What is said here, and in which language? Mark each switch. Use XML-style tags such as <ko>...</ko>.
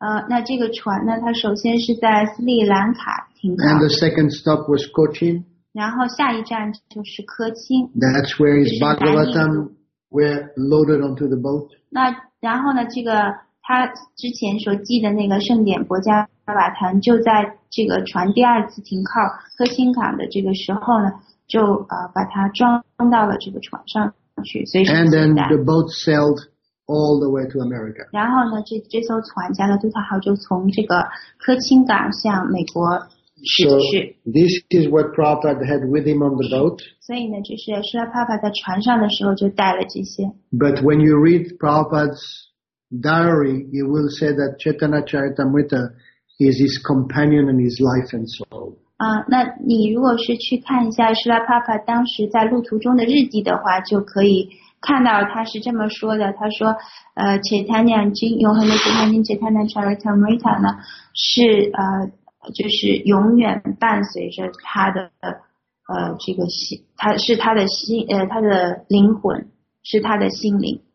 <zh>那这个船呢，它首先是在斯里兰卡停靠。</zh> <en>And the second stop was Cochin.</en> <zh>然后下一站就是科钦。</zh> <en>That's where his Bhagavatam were loaded onto the boat.</en> <zh>那然后呢，这个他之前所记的那个圣典伯加瓦坛就在这个船第二次停靠科钦港的这个时候呢，就把它装到了这个船上去，所以是</zh> <en>And then the boat sailed all the way to America.</en> <zh>然后呢，这艘船加勒杜特号就从这个科钦港向美国驶去。</zh> <en>So this is what Prabhupada had with him on the boat.</en> <zh>所以呢，就是舍利帕帕在船上的时候就带了这些。</zh> <en>But when you read Prabhupada's diary, you will say that Chaitanya Charitamrita is his companion and his life and soul.</en> <zh>那你如果是去看一下舍利帕帕当时在路途中的日记的话，就可以看到他是这么说的。他说，Chaitanya Jin 永恒的 Chaitanya Chaitanya Charitamrita 呢，是就是永远伴随着他的这个心，他是他的心他的灵魂，是他的心灵。</zh>